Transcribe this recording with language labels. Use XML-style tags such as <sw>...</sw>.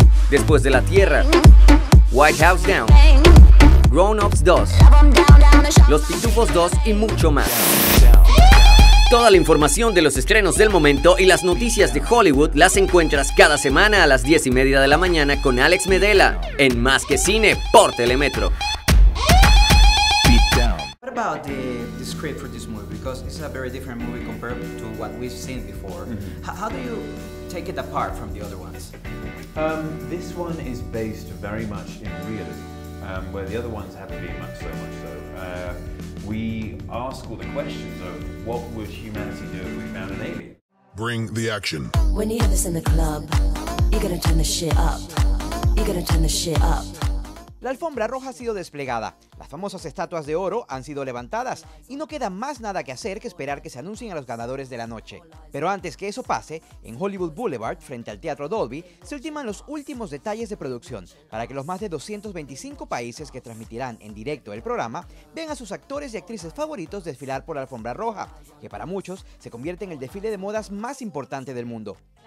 <es>Después de La Tierra, White House Down, Grown Ups 2, Los Pitufos 2 y mucho más. Toda la información de los estrenos del momento y las noticias de Hollywood las encuentras cada semana a las 10:30 de la mañana con Alex Medela en Más Que Cine por Telemetro.</es> <en>What about the script for this movie? Because it's a very different movie compared to what we've seen before. Mm-hmm. How do you take it apart from the other ones? This one is based very much in realism, where the other ones haven't been so much so. We ask all the questions of what would humanity do if we found an alien? Bring the action. When you have this in the club, you're gonna turn the shit up. You're gonna turn the shit up.</en> <es>La alfombra roja ha sido desplegada, las famosas estatuas de oro han sido levantadas y no queda más nada que hacer que esperar que se anuncien a los ganadores de la noche. Pero antes que eso pase, en Hollywood Boulevard, frente al Teatro Dolby, se ultiman los últimos detalles de producción para que los más de 225 países que transmitirán en directo el programa vean a sus actores y actrices favoritos desfilar por la alfombra roja, que para muchos se convierte en el desfile de modas más importante del mundo.</es>